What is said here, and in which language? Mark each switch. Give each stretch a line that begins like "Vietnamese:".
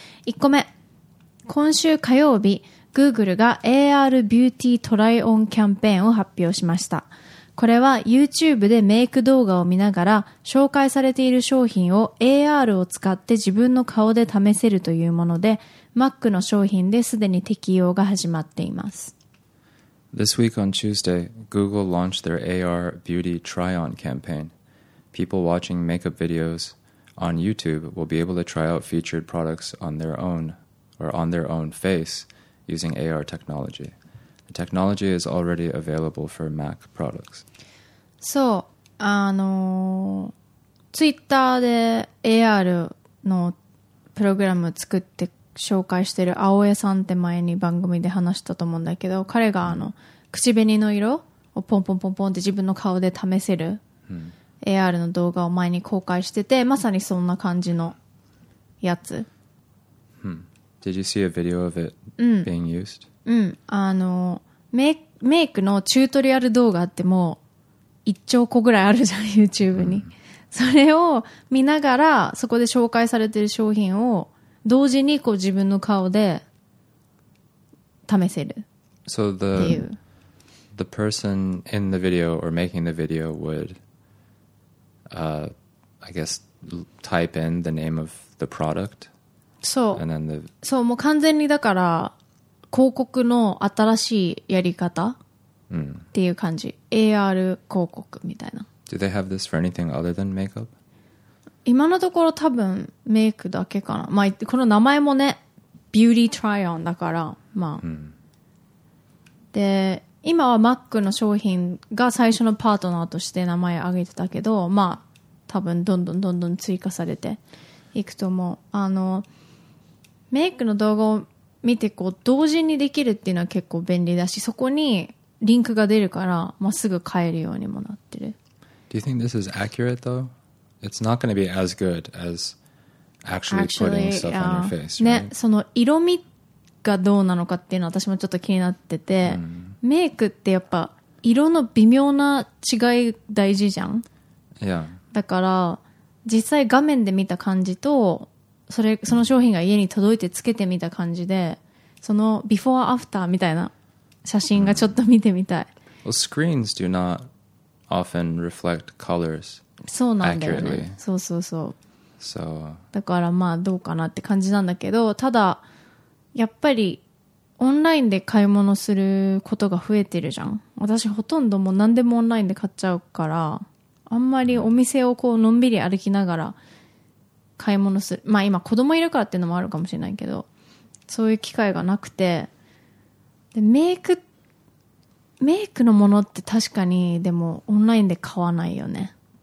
Japanese: 1個目、今週火曜日、 Google が AR ビューティートライオンキャンペーンを発表しました。これは YouTube でメイク動画を見ながら紹介されている商品を AR を使って自分の顔で試せるというもので、 Mac の商品ですでに適用が始まっています。
English: This week on Tuesday, Google launched their AR Beauty Try-On campaign. People watching makeup videos on YouTube will be able to try out featured products on their own or on their own face using AR technology. Technology is already available for Mac products.
Japanese: そう、Twitter で AR のプログラム作って紹介してる青江さんって前に番組で話したと思うんだけど、彼があの、口紅の色をポンポンポンポンって自分の顔で試せる AR の動画を前に公開してて、まさにそんな感じのやつ。
English: Did you see a video of it being used?
Japanese: うん、あのメイクのチュートリアル動画ってもう1兆個ぐらいあるじゃん YouTube に、うん、それを見ながらそこで紹介されてる商品を同時にこう自分の顔で試せるっていう。
English: So the person in the video or making the video would I guess type in the name of the product. そう、 and then the...
Japanese: そう、もう完全にだから広告の新しいやり方、うん、っていう感じ。AR 広告みたいな。
English: Do they have this for anything other than makeup?
Japanese: 今のところ多分メイクだけかな。まあこの名前もね、 Beauty Try-On だから、まあ、うん、で今は Mac の商品が最初のパートナーとして名前を挙げてたけど、まあ多分どんどんどんどん追加されていくと思う。あのメイクの動画を見てこう同時にできるっていうのは結構便利だし、そこにリンクが出るから、まあ、すぐ買えるようにもなってる。
English: Do you think this is accurate though? It's not going to be as good as actually putting stuff on your face, right?
Japanese: ね、その色味がどうなのかっていうのは私もちょっと気になってて、メイクってやっぱ色の微妙な違い大事じゃん。
English: Yeah.
Japanese: だから実際画面で見た感じとその商品が家に届いてつけてみた感じで、そのビフォーアフターみたいな写真がちょっと見てみたい。
English: Well, screens do not often reflect colors accurately.
Japanese: そうなんだよね。そうそうそう。
English: So...
Japanese: だからまあどうかなって感じなんだけど、ただやっぱりオンラインで買い物することが増えてるじゃん。私ほとんどもう何でもオンラインで買っちゃうから、あんまりお店をこうのんびり歩きながら買い物する、まあ今子供いるからっていうのもあるかもしれないけど、そういう機会がなくて、でメイクのものって確かにでもオンラインで買わないよね。